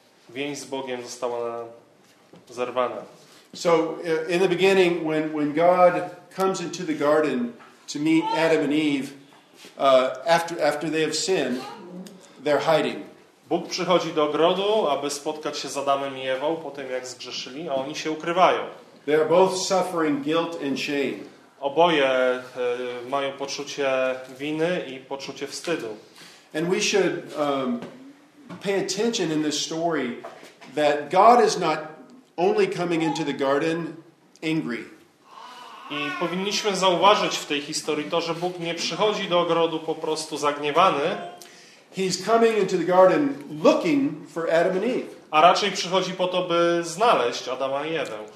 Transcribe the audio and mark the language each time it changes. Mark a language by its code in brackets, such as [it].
[pl] więź z Bogiem została zerwana. [en] So in the beginning when God comes into the garden to meet Adam and Eve after they have sinned, they're hiding. [pl] Bóg przychodzi do ogrodu, aby spotkać się z Adamem i Ewą po tym, jak zgrzeszyli, a oni się ukrywają. [en] They are both suffering guilt and shame. [pl] Oboje mają poczucie winy i poczucie wstydu. [en] And we should pay attention in this story that God is not only coming into the garden angry. [pl] I powinniśmy zauważyć w tej historii to, że Bóg nie przychodzi do ogrodu po prostu zagniewany. [en] He's coming into the garden looking for Adam and Eve. [pl] A raczej przychodzi po to, by znaleźć Adama i Ewę.